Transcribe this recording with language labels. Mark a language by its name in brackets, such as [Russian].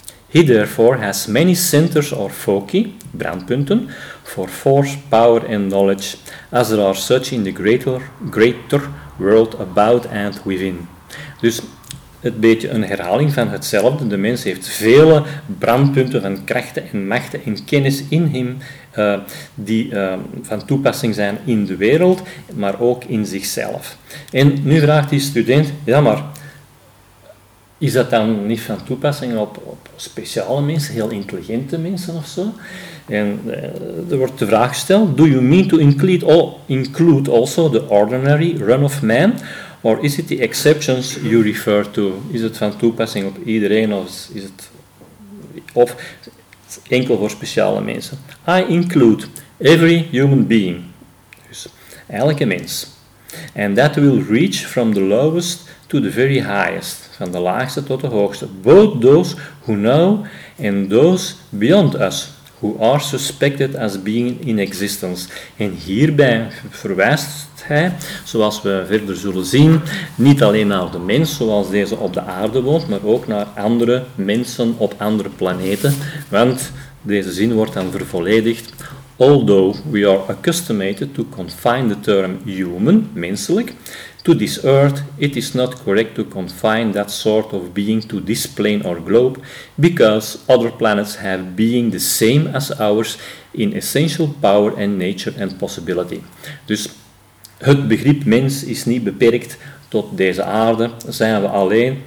[English] He therefore has many centers or foci, brandpunten, for force, power and knowledge, as there are such in the greater world about and within. [Dutch] Dus het beetje een herhaling van hetzelfde. De mens heeft vele brandpunten van krachten en machten en kennis in hem die van toepassing zijn in de wereld, maar ook in zichzelf. En nu vraagt die student, ja maar, is dat dan niet van toepassing op speciale mensen, heel intelligente mensen of zo? [English] En er wordt de vraag gesteld, do you mean to include also the ordinary run of man? Or is it the exceptions you refer to? [Dutch] Is het van toepassing op iedereen of is het of enkel voor speciale mensen? [English] I include every human being, [Dutch] dus elke mens. [English] And that will reach from the lowest to the very highest, [Dutch] van de laagste tot de hoogste. [English] Both those who know and those beyond us, who are suspected as being in existence. [Dutch] En hierbij verwijst hij, zoals we verder zullen zien, niet alleen naar de mens zoals deze op de aarde woont, maar ook naar andere mensen op andere planeten. Want deze zin wordt dan vervolledigd. [English] Although we are accustomed to confine the term human, menselijk, to this earth, it is not correct to confine that sort of being to this plane or globe, because other planets have being the same as ours in essential power and nature and possibility. [Dutch] Dus het begrip mens is niet beperkt tot deze aarde. Zijn we alleen?